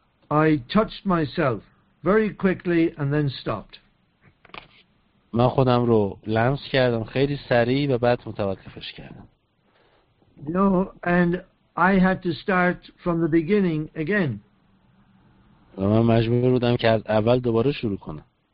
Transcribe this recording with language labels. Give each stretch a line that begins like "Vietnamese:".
English: I touched myself very quickly and then stopped.
Persian: من خودم رو لمس کردم خیلی سریع و بعد متوقفش کردم.
English: No, and I had to start from the beginning again.
Persian: و من مجبور بودم که از اول دوباره شروع کنم.